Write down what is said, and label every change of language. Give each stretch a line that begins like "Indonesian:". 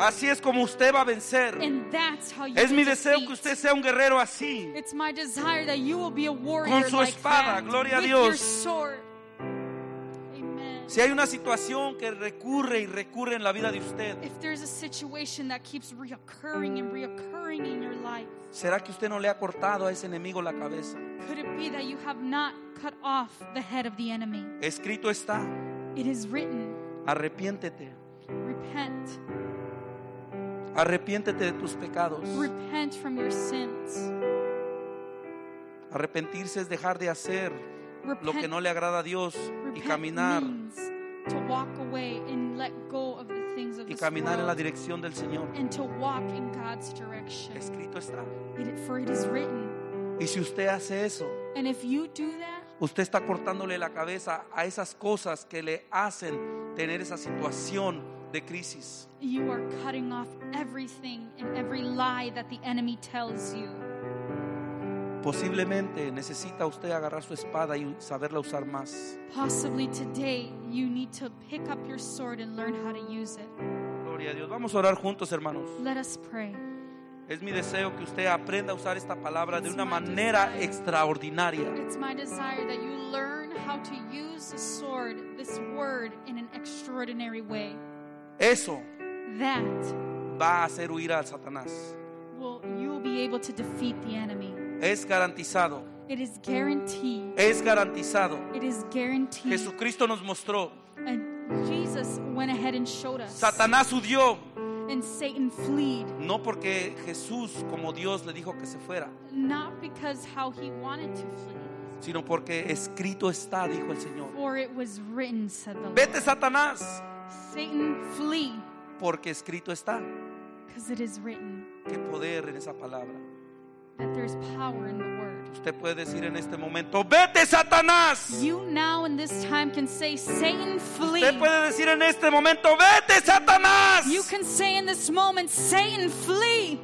Spanish: Así es como usted va a vencer.
English: And that's how you
Spanish: es mi deseo
English: defeat.
Spanish: Que usted sea un guerrero así.
English: It's my desire that you will be a warrior
Spanish: con su
English: like
Spanish: espada,
English: that.
Spanish: Gloria a Dios.
English: With your sword.
Spanish: Si hay una situación que recurre y recurre en la vida de usted,
English: if there's a situation that keeps reoccurring and reoccurring in your life,
Spanish: ¿será que usted no le ha cortado a ese enemigo la cabeza?
English: Could it be that you have not cut off the head of the enemy?
Spanish: Escrito está.
English: It is written.
Spanish: Arrepiéntete.
English: Repent.
Spanish: Arrepiéntete de tus pecados.
English: Repent from your sins.
Spanish: Arrepentirse es dejar de hacer lo que no le agrada a Dios y caminar
English: to walk away and let go of the things of
Spanish: y caminar
English: world,
Spanish: en la dirección del Señor
English: and to walk in God's direction.
Spanish: Escrito está.
English: For it is written.
Spanish: Y si usted hace eso,
English: and if you do that,
Spanish: usted está cortándole la cabeza a esas cosas que le hacen tener esa situación de crisis.
English: You are cutting off everything and every lie that the enemy tells you.
Spanish: Posiblemente necesita usted agarrar su espada y saberla usar más.
English: Possibly today you need to pick up your sword and learn how to use it.
Spanish: Gloria a Dios. Vamos a orar juntos, hermanos.
English: Let us pray.
Spanish: Es mi deseo que usted aprenda a usar esta palabra
English: it's
Spanish: de una manera
English: desire.
Spanish: Extraordinaria.
English: It's my desire that you learn how to use the sword, this word, in an extraordinary way.
Spanish: Eso.
English: That.
Spanish: Va a hacer huir al Satanás.
English: Well, you'll be able to defeat the enemy.
Spanish: Es garantizado.
English: It is guaranteed.
Spanish: Es garantizado.
English: It is guaranteed.
Spanish: Jesucristo nos mostró.
English: And Jesus went ahead and showed us.
Spanish: Satanás huyó.
English: And Satan fled.
Spanish: No porque Jesús como Dios le dijo que se fuera.
English: Not because how he wanted to flee.
Spanish: Sino porque escrito está, dijo el Señor.
English: For it was written, said the Lord.
Spanish: Vete, Satanás.
English: Satan flee.
Spanish: Porque escrito está.
English: Because it is written.
Spanish: Qué poder en esa palabra.
English: That there's power in the word.
Spanish: Usted puede decir en este momento, vete, Satanás.
English: You now in this time can say, Satan, flee.
Spanish: Usted puede decir en este momento, vete, Satanás.
English: You can say in this moment, Satan, flee.